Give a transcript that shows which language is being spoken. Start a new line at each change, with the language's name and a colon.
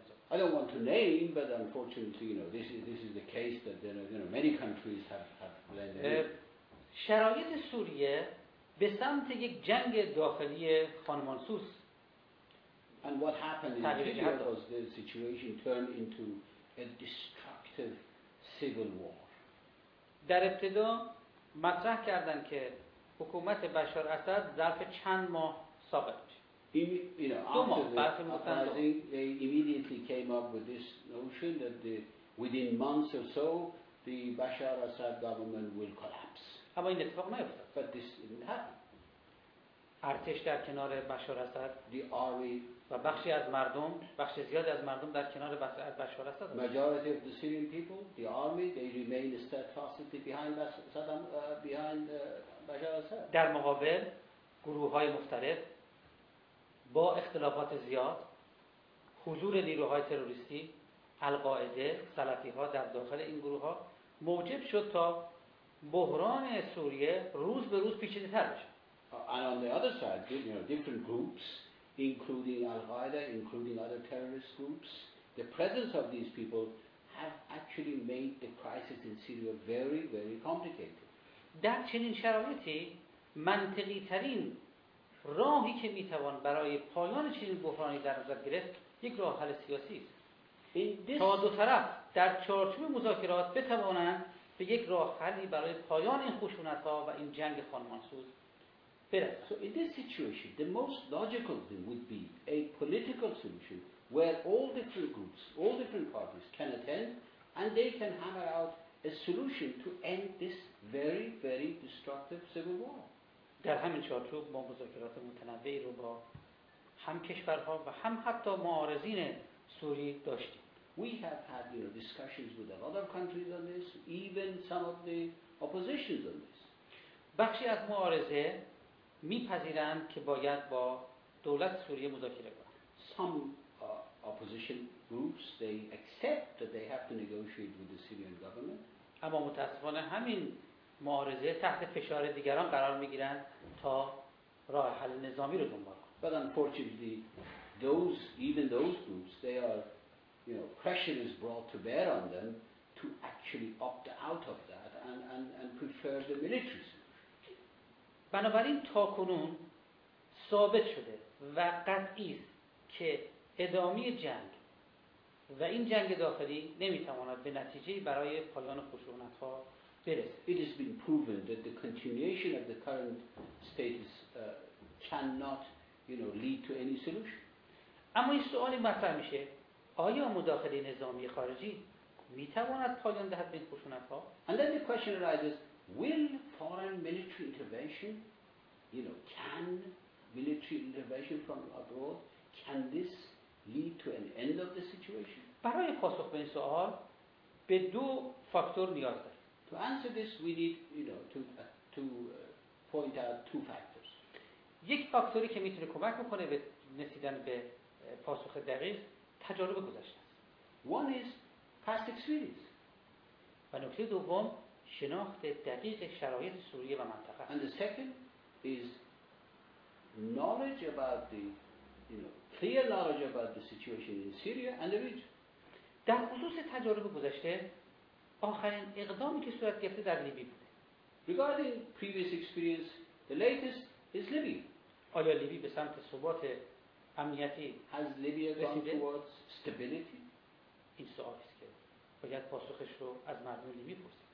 English: I don't want to name, but unfortunately, you know, this is the case that you know many countries have blended in.
Persian: شرایط سوریه به سمت یک جنگ داخلی خانمانسوز.
English: And what happened in Syria was the situation turned into a destructive civil war.
Persian: در ابتدا مطرح کردند که حکومت بشار اسد ظرف چند ماه ساقط شد.
English: After the uprising, they immediately came up with this notion that within months or so, the Bashar Assad government will collapse.
Persian: اما این اتفاق نیفتاد.
English: But this didn't happen.
Persian: ارتش در کنار بشار اسد.
English: The army.
Persian: و بخشی از مردم، بخش زیادی از مردم در کنار بشار اسد.
English: Majority of the Syrian people, the army, they remain steadfastly behind Saddam, behind Bashar Assad.
Persian: در مقابل، گروه‌های مختلف. با اختلافات زیاد حضور نیروهای تروریستی القاعده سلفی‌ها در داخل این گروه‌ها موجب شد تا بحران سوریه روز به روز پیچیده‌تر بشه.
English: And on the other side, you know, different groups including al-Qaeda, including other terrorist groups, the presence of these people have actually made the crisis in Syria very, very complicated.
Persian: در چنین شرایطی منطقی ترین راهی که میتوان برای پایان چنین بحرانی در نظر گرفت یک راه حل سیاسی است. تا دو طرف در چارچوب مذاکرات بتوانند به یک راه حلی برای پایان این خشونت‌ها و این جنگ خانمانسوز برسند.
English: So in this situation, the most logical thing would be a political solution where all different groups, all different parties can attend and they can hammer out a solution to end this very, very destructive civil war.
Persian: در همین چارچوب ما مذاکرات متنوعی رو با هم کشورها و هم حتی معارضین سوری داشتیم.
English: We have had, you know, discussions with a lot of countries on this, even some of the oppositions on this.
Persian: بخشی از معارضه میپذیرند که باید با دولت سوریه مذاکره کنند.
English: Some opposition groups, they accept that they have to negotiate with the Syrian government.
Persian: اما متأسفانه همین معارضه تحت فشار دیگران قرار میگیرند تا راه حل نظامی رو دنبال کنند.
English: But unfortunately, those groups, they are, you know, pressure is brought to bear on them to actually opt out of that and prefer the military solution.
Persian: بنابراین تاکنون ثابت شده و قطعی است که ادامه جنگ و این جنگ داخلی نمیتواند به نتیجه برای پایان خشونت‌ها برسد.
English: It has been proven that the continuation of the current status cannot, you know, lead to any solution.
Persian: اما این سوالی مطرح میشه، آیا مداخله نظامی خارجی میتواند پایان دهد به این خشونت‌ها؟
English: And then the question arises, will foreign military intervention, you know, can military intervention from abroad, can this lead to an end of the situation?
Persian: برای پاسخ به این سوال به دو فاکتور نیاز داریم.
English: To answer this we need, you know, to point out two factors.
Persian: یک فاکتوری که میتونه کمک بکنه به رسیدن به پاسخ دقیق تجارب گذشته است.
English: One is past experience.
Persian: و نکته دوم شناخت دقیق شرایط سوریه و منطقه است.
English: And the second is knowledge about the, you know, clear knowledge about the situation in Syria and the region.
Persian: در خصوص تجارب گذشته آخرین اقدامی که صورت گرفته در لیبی بوده.
English: Regarding previous experience, the latest is Libya.
Persian: آیا لیبی به سمت ثبات امنیتی
English: has Libya gone towards stability?
Persian: این سوال است که باید پاسخش رو از مردم لیبی پرسید.